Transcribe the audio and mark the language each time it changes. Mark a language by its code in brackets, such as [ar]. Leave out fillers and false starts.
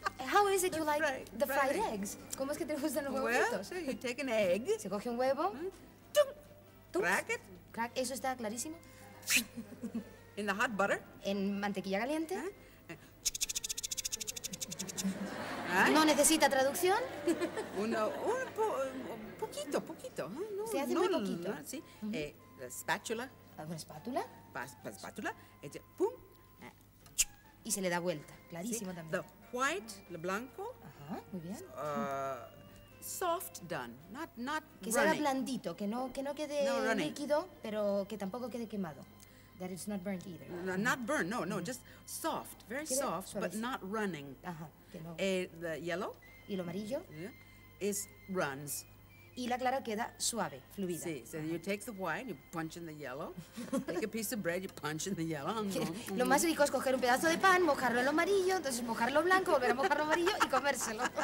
[en] How is it you like the fried eggs? [es] ¿Cómo es que te gustan los huevos fritos? [en] Well, so you take an egg. [es] Se coge un huevo. [en] Crack it. Crack. [es] Eso está clarísimo. [en] In the hot butter. [es] En mantequilla caliente. No necesita traducción. Un poquito. Se hace muy poquito. Sí. La espátula. ¿Una espátula? Espátula. Pum. Y se le da vuelta. Clarísimo también. [en] The white, [es] lo blanco. Ajá, muy bien. [en] Soft done, not [es] que se haga blandito, que no quede líquido, pero que tampoco quede quemado. [en] That it's not burnt either. Not burnt, no, just soft, very soft, but not running. [es] Ajá, que no. [en] The yellow. [es] Y lo amarillo. [en] Yeah, is runs. [es] Y la clara queda suave, fluida. [en] Sí, so you take the white, you punch in the yellow. Take a piece of bread, you punch in the yellow. [es] Lo más rico es coger un pedazo de pan, mojarlo en lo amarillo, entonces mojarlo blanco, volver a mojarlo amarillo y comérselo.